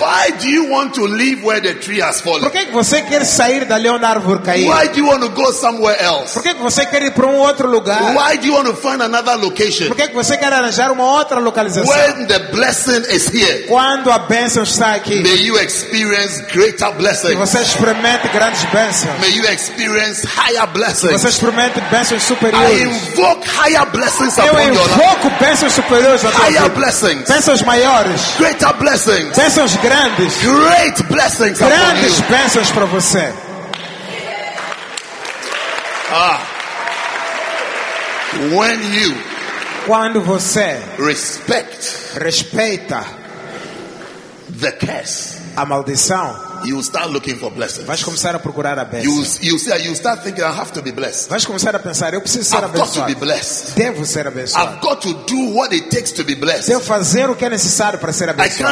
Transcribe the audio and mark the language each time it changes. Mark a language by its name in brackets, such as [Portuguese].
[English] Why do you want to leave where the tree has fallen? [Portuguese] Por que você quer sair dali onde a árvore caiu? [English] Why do you want to go somewhere else? [Portuguese] Por que você quer ir para outro lugar? [English] Why do you want to find another location? [Portuguese] Por que você quer arranjar outra localização? [English] When the blessing is here. [Portuguese] Quando a bênção está aqui. [English] May you experience greater blessings. [Portuguese] Que você experimente grandes bênçãos. [English] May you experience higher blessings. [Portuguese] Que você experimente bênçãos. [English] I invoke higher blessings upon your life. [Portuguese] Eu invoco bênçãos superiores. [English] Higher blessings. [Portuguese] Bênçãos maiores. [English] Greater blessings. [Portuguese] Bênçãos grandes. [English] Great blessings. [Portuguese] Grandes bênçãos para você. Ah. [English] When you. [Portuguese] Quando você. [English] Respect. [Portuguese] Respeita. [English] The curse. [Portuguese] A maldição. [English] You will start looking for blessings. [Portuguese] Vais começar a procurar a bênção. [English] You start thinking, I have to be blessed. [Portuguese] Vais começar a pensar, eu preciso ser abençoado. [English] I've got to be blessed. [Portuguese] Devo ser abençoado. [English] I've got to do what it takes to be blessed. [Portuguese] Devo fazer o que é necessário para ser abençoado.